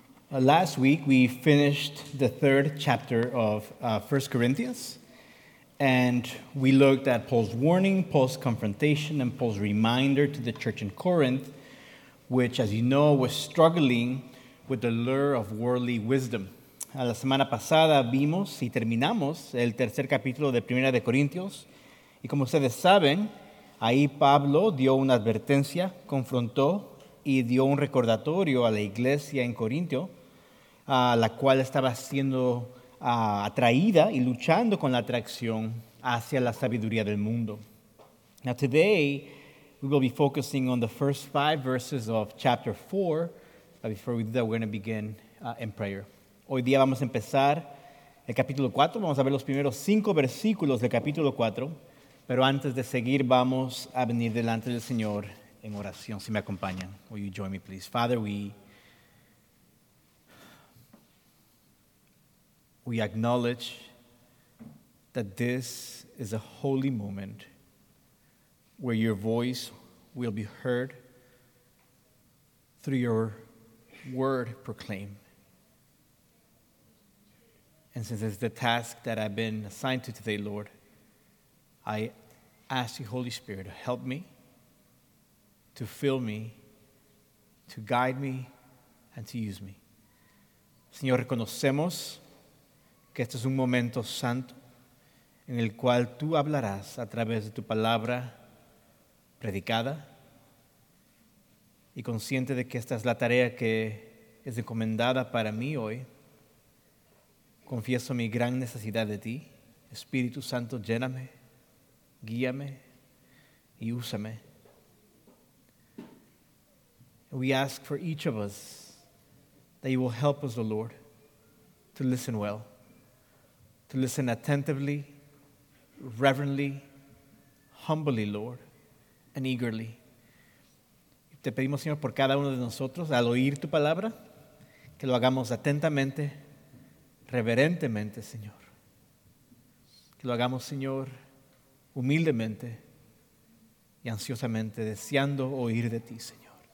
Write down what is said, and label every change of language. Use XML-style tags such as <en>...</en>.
<en>Last week, we finished the third chapter of 1 Corinthians, and we looked at Paul's warning, Paul's confrontation, and Paul's reminder to the church in Corinth, which, as you know, was struggling with the lure of worldly wisdom.</en> <es>La semana pasada vimos y terminamos el tercer capítulo de Primera de Corintios, y como ustedes saben, ahí Pablo dio una advertencia, confrontó y dio un recordatorio a la iglesia en Corinto, la cual estaba siendo atraída y luchando con la atracción hacia la sabiduría del mundo.</es> <en>Now today, we will be focusing on the first five verses of chapter 4. But before we do that, we're going to begin in prayer.</en> <es>Hoy día vamos a empezar el capítulo 4. Vamos a ver los primeros cinco versículos del capítulo 4. Pero antes de seguir, vamos a venir delante del Señor en oración. Si me acompañan,</es> <en>will you join me, please? Father, we acknowledge that this is a holy moment where your voice will be heard through your word proclaimed. And since it's the task that I've been assigned to today, Lord, I ask you, Holy Spirit, to help me, to fill me, to guide me, and to use me.</en> <es>Señor, reconocemos que este es un momento santo en el cual tú hablarás a través de tu palabra predicada y consciente de que esta es la tarea que es encomendada para mí hoy. Confieso mi gran necesidad de ti. Espíritu Santo, lléname, guíame y úsame.</es> <en>We ask for each of us that you will help us, oh Lord, to listen well, to listen attentively, reverently, humbly, Lord, and eagerly.</en> <es>Te pedimos, Señor, por cada uno de nosotros, al oír tu palabra, que lo hagamos atentamente, reverentemente, Señor. Que lo hagamos, Señor, humildemente y ansiosamente, deseando oír de ti, Señor.</es>